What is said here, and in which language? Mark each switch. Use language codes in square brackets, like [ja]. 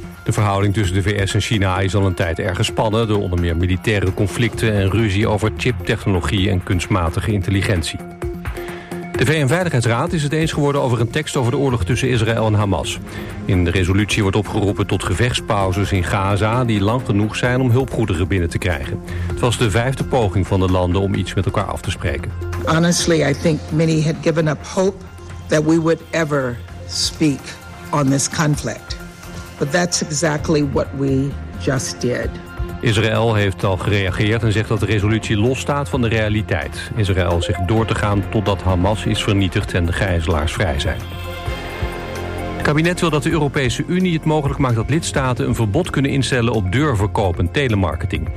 [nl] De verhouding tussen de VS en China is al een tijd erg gespannen door onder meer militaire conflicten en ruzie over chiptechnologie en kunstmatige intelligentie. De VN-veiligheidsraad is het eens geworden over een tekst over de oorlog tussen Israël en Hamas. In de resolutie wordt opgeroepen tot gevechtspauzes in Gaza die lang genoeg zijn om hulpgoederen binnen te krijgen. Het was de 5e poging van de landen om iets met elkaar af te spreken. [en] Honestly, I think many had given up hope that we would ever speak on this conflict. But that's exactly what we just did. [nl] Israël heeft al gereageerd en zegt dat de resolutie losstaat van de realiteit. Israël zegt door te gaan totdat Hamas is vernietigd en de gijzelaars vrij zijn. Het kabinet wil dat de Europese Unie het mogelijk maakt dat lidstaten een verbod kunnen instellen op deurverkoop en telemarketing.